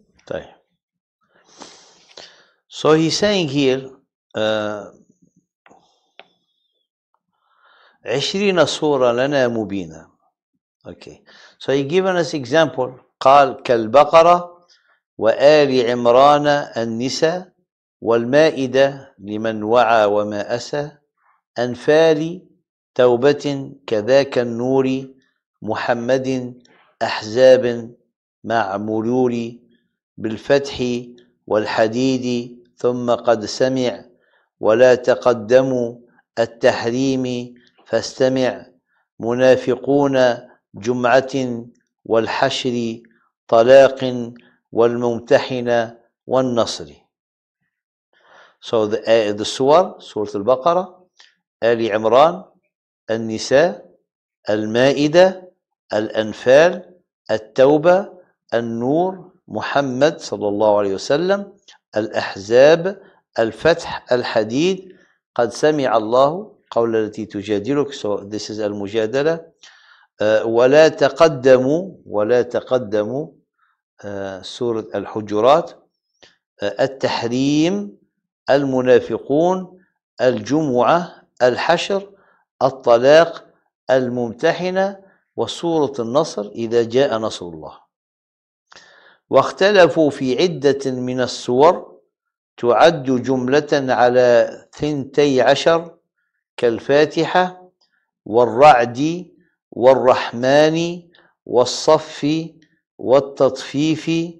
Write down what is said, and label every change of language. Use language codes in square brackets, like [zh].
[en] Okay. So he's saying here, 20 surah lana mubina. Okay. So he given us example. [ar] قال كالبقرة وآل عمران النساء والمائدة لمن وعى وما أسى أنفال توبة كذاك النور محمد أحزاب مع مرور بالفتح والحديد ثم قد سمع ولا تقدموا التحريم فاستمع منافقون جمعة والحشر طلاق والممتحن والنصر. [en] So the Suwar, Surah Al-Baqarah, Ali Imran, Al-Nisa, Al-Ma'ida, Al-Anfal, Al-Tawbah, Al-Nur, Muhammad sallallahu alayhi wa sallam, Al-Ahzab, Al-Fath, Al-Hadid, [ar] قَدْ سَمِعَ اللَّهُ قَوْلَ الَّتِي تُجَادِلُكَ. [en] So this is Al-Mujadala. [ar] وَلَا تَقَدَّمُوا وَلَا تَقَدَّمُوا Surah Al-Hujurat. التحريم المنافقون الجمعة الحشر الطلاق الممتحنة وسورة النصر إذا جاء نصر الله واختلفوا في عدة من السور تعد جملة على 12 كالفاتحة والرعد والرحمن والصف والتطفيف